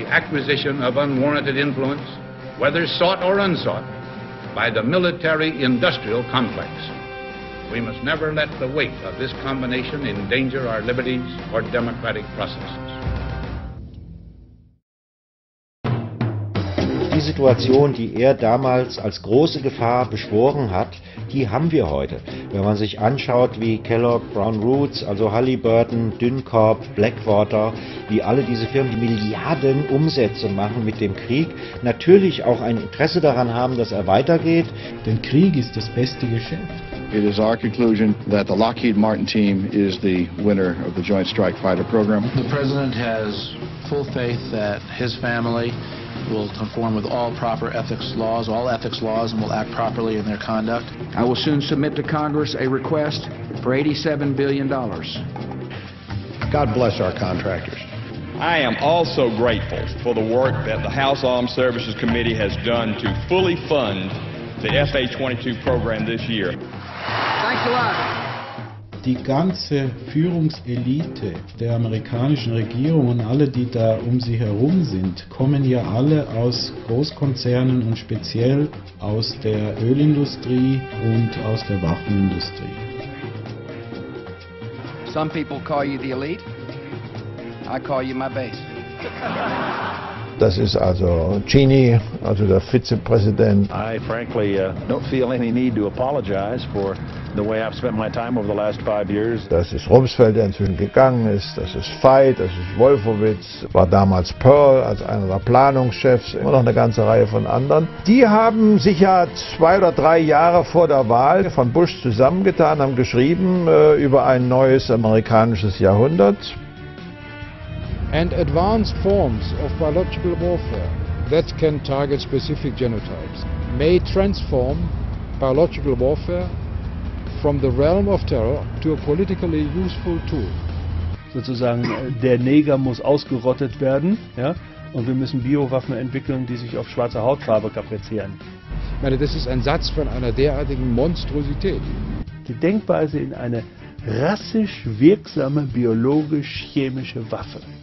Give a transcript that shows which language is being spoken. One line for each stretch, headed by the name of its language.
English: the acquisition of unwarranted influence, whether sought or unsought, by the military-industrial complex. We must never let the weight of this combination endanger our liberties or democratic processes.
German: Die Situation, die damals als große Gefahr beschworen hat, die haben wir heute. Wenn man sich anschaut, wie Kellogg, Brown Roots, also Halliburton, Dyncorp, Blackwater, wie alle diese Firmen die Milliarden Umsätze machen mit dem Krieg, natürlich auch ein Interesse daran haben, dass er weitergeht. Denn Krieg ist das beste Geschäft.
English: It is our conclusion that the Lockheed Martin team is the winner of the Joint Strike Fighter program. The president has full faith that his family will conform with all proper ethics laws, and will act properly in their conduct. I will soon submit to Congress a request for $87 billion. God bless our contractors. I am also grateful for the work that the House Armed Services Committee has done to fully fund the FA-22 program this year. Thanks a lot.
German: Die ganze Führungselite der amerikanischen Regierung und alle, die da um sie herum sind, kommen ja alle aus Großkonzernen und speziell aus der Ölindustrie und aus der Waffenindustrie.
English: Some people call you the elite. I call you my base.
German: Das ist also Cheney, also der Vizepräsident.
English: I frankly don't feel any need to apologize for the way I've spent my time over the last 5 years.
German: Das ist Rumsfeld, der inzwischen gegangen ist. Das ist Veit, das ist Wolfowitz. War damals Pearl als einer der Planungschefs. Immer noch eine ganze Reihe von anderen. Die haben sich ja 2 oder 3 Jahre vor der Wahl von Bush zusammengetan, haben geschrieben über ein neues amerikanisches Jahrhundert.
English: And advanced forms of biological warfare that can target specific genotypes may transform biological warfare from the realm of terror to a politically useful tool.
German: Sozusagen der Neger muss ausgerottet werden, ja, und wir müssen Biowaffen entwickeln, die sich auf schwarze Hautfarbe kaprizieren. Ich meine, das ist ein Satz von einer derartigen Monstrosität. Die Denkweise in eine rassisch wirksame biologisch-chemische Waffe.